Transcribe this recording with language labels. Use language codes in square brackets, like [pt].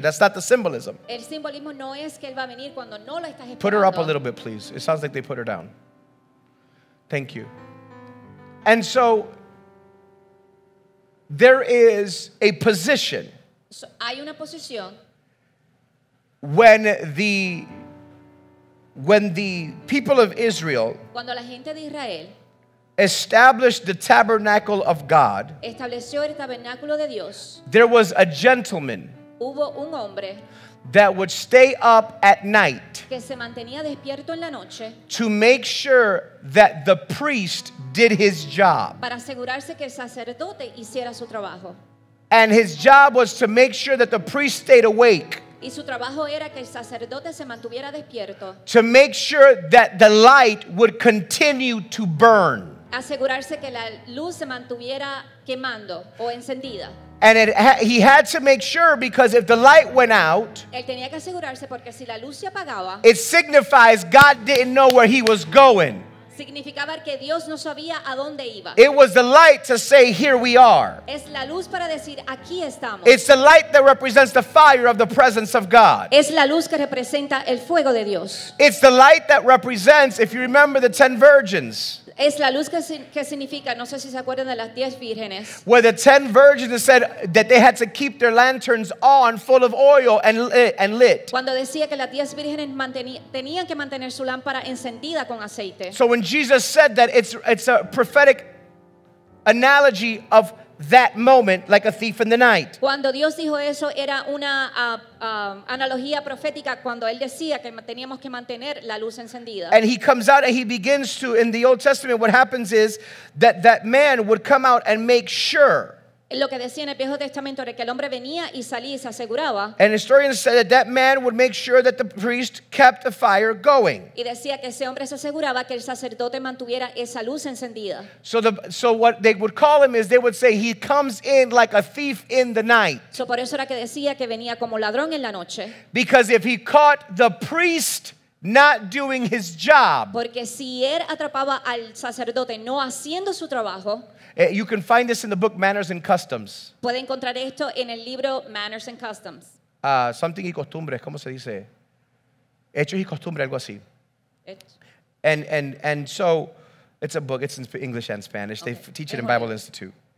[en] That's not the symbolism. [es] El simbolismo no es que él va a venir cuando no lo estás esperando. [en] Put her up a little bit, please. It sounds like they put her down. Thank you. And so, there is a position. [es] So, hay una posición. [en] When the people of Israel, [es] cuando la gente de Israel [en] established the tabernacle of God, [es] estableció el tabernáculo de Dios, [en] there was a gentleman, [es] hubo un hombre, [en] that would stay up at night, [es] que se mantenía despierto en la noche, [en] to make sure that the priest did his job, [es] para asegurarse que el sacerdote hiciera su trabajo. [en] And his job was to make sure that the priest stayed awake, [es] y su trabajo era que el sacerdote se mantuviera despierto, [en] to make sure that the light would continue to burn, [es] asegurarse que la luz se mantuviera quemando o encendida. [en] And he had to make sure, because if the light went out, [es] él tenía que asegurarse porque si la luz se apagaba, [en] it signifies God didn't know where he was going. [es] Significaba que Dios no sabía a dónde iba. [en] It was the light to say, here we are. [es] Es la luz para decir, aquí estamos. [en] It's the light that represents the fire of the presence of God. [es] Es la luz que representa el fuego de Dios. [en] It's the light that represents, if you remember, the 10 virgins. [es] Es la luz que significa, no sé si se acuerdan de las 10 vírgenes. [en] Where the 10 virgins said that they had to keep their lanterns on, full of oil and lit. [es] Cuando decía que las 10 vírgenes tenían que mantener su lámpara encendida con aceite. [en] So when Jesus said that, it's a prophetic analogy of that moment like a thief in the night. [es] Cuando Dios dijo eso era una analogía profética cuando él decía que teníamos que mantener la luz encendida. [en] And he comes out and he begins to, in the Old Testament what happens is that that man would come out and make sure. [es] Lo que decía en el Viejo Testamento era que el hombre venía y salía y se aseguraba. [en] And historians said that that man would make sure that the priest kept the fire going. [es] Y decía que ese hombre se aseguraba que el sacerdote mantuviera esa luz encendida. [en] So what they would call him is they would say he comes in like a thief in the night. [es] So por eso era que decía que venía como ladrón en la noche. [en] Because if he caught the priest not doing his job. [es] Porque si él atrapaba al sacerdote no haciendo su trabajo. [en] You can find this in the book Manners and Customs. [es] Puede encontrar esto en el libro Manners and Customs. Something y costumbres, ¿cómo se dice? Hechos y costumbres, algo así. [en] And so, it's a book. It's in English and Spanish. Okay. They teach it in Bible Institute.